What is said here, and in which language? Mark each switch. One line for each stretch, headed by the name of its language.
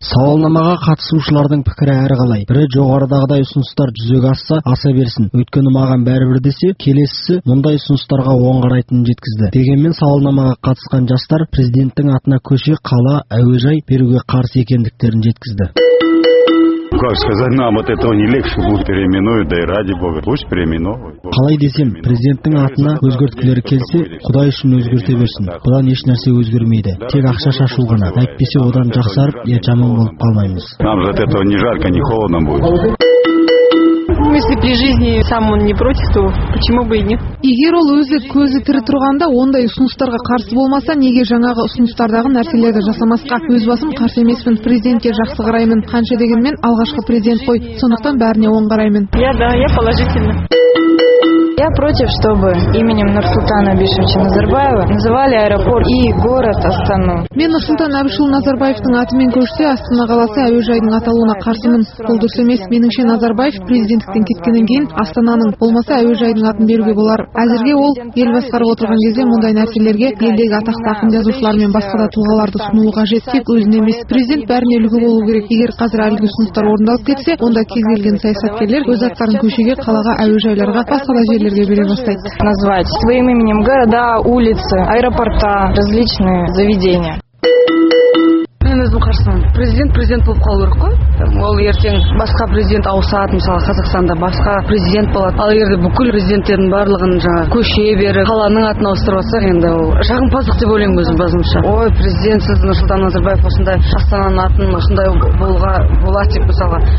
Kazakh: Сауалнамаға қатысушылардың пікірі әрқалай. Бірі жоғарыдағыдай ұсыныстар жүзеге асса, аса берсін. Өткені маған бәрібір десе, келесісі мұндай ұсыныстарға оң қарайтынын жеткізді. Дегенмен сауалнамаға қатысқан жастар президенттің атына көше, қала, әуежай беруге қарсы екендіктерін жеткізді.
Russian: Как сказать нам от этого не легче будет переименовать, да и ради бога, пусть переименовывают.
Kazakh: Қалай десем, президенттің атына өзгерткілері келсе, Құдай үшін өзгерте берсін. Бұдан еш нәрсе өзгермейді. Тек ақша шашу ғана. Әйтпесе одан жақсарып, я жаман болып қалмаймыз.
Russian: Нам от этого не жарко, не холодно будет. Если при жизни сам он не против, то почему бы и нет?
Kazakh: Егер ол өзі көзі тірі тұрғанда ондай ұсыныстарға қарсы болмаса, неге жаңағы ұсыныстардағы нәрселерді жасамасқа? Өз басым қарсы емеспін, президентке жақсы қараймын. Қанша дегенмен алғашқы президент қой, сондықтан бәріне оң қараймын.
Russian: Я положительно. Я против, чтобы именем Нұрсұлтана Абишевича Назарбаева называли аэропорт и город Астану.
Kazakh: Мен Нұрсұлтан Абишевич Назарбаевтың атымен көшсе, Астана қаласы әуежайдың аталуына қарсымын. Бұл дұрыс емес. Меніңше Назарбаев президенттіктен кеткеннен кейін Астананың болмаса әуежайдың атын беруге болар. Әзірге ол ел басқарып отырған кезде мұндай нәрселерге елдегі атақты ақын жазушылар мен басқа да тұлғаларды ұсынуы қажет. Тек өзіне емес, президент бәріне үлгі болу керек. Егер қазір әлгі ұсыныстар орындалып кетсе, онда кез келген саясаткерлер өз аттарын көшеге, қалаға, әуежайларға, басқа да жерлерге бере бастайды.
Russian: Назвать своим именем города, улицы, аэропорта, различные заведения.
Kazakh: Мен өзім қарсымын. Президент болып қалу керек қой. Ол ертең басқа президент ауысады, мысалы Қазақстанда басқа президент болады. Ал егер бүкіл президенттердің барлығын жаңа көше беріп, қаланың атын ауыстырып алсақ, енді ол жағымпаздық деп ойлаймын өзім басымша. Ой, президент сіз Нұрсұлтан Назарбаев осындай Астананың атын осындай болуға болады деп мысалы.